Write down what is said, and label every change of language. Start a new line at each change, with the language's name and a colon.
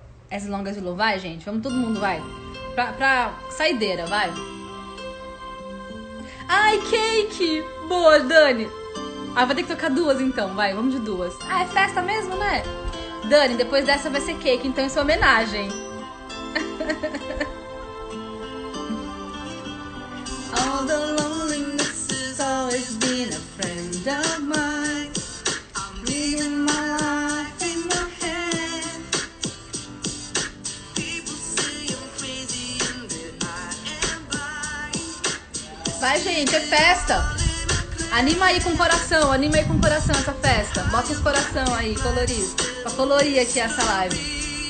Portuguese: As Long As You Love. Vai, gente. Vamos todo mundo, vai. Pra saideira, vai. Ai, Cake. Boa, Dani. Ah, vai ter que tocar duas então, vai, vamos de duas. Ah, é festa mesmo, né? Dani, depois dessa vai ser cake, então isso é homenagem.
English: All the loneliness has always been a friend of mine. I'm living my life in my head. People say I'm crazy and that I am blind.
Portuguese: Vai, gente, é festa. Anima aí com o coração, anima aí com o coração essa festa. Bota os coração aí, colorido. Pra colorir aqui essa live.